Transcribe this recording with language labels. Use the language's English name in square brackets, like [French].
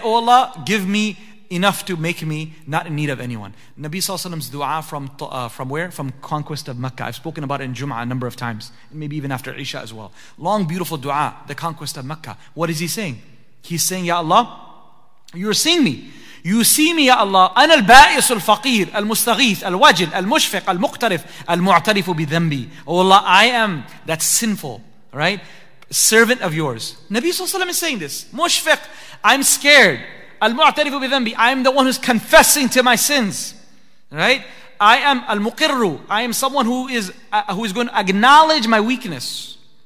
[English] Oh Allah, give me enough to make me not in need of anyone. Nabi Sallallahu Alaihi Wasallam's dua from where? From conquest of Mecca. I've spoken about it in Jum'ah a number of times, maybe even after Isha as well. Long, beautiful dua, the conquest of Mecca. What is he saying? He's saying, Ya Allah, you're seeing me. You see me, Ya Allah. [Arabic] أنا البائس الفقير المستغيث الوجل المشفق المقترف المعترف بذنبي. [English] Oh Allah, I am that sinful, right? Servant of yours. Nabi Sallallahu Alaihi Wasallam is saying this. Mushfiq, I'm scared. [Arabic] Al-mu'tarifu bi dhanbi, [English] I am the one who's confessing to my sins. Right? I am al-muqirru, I am someone who is going to acknowledge my weakness.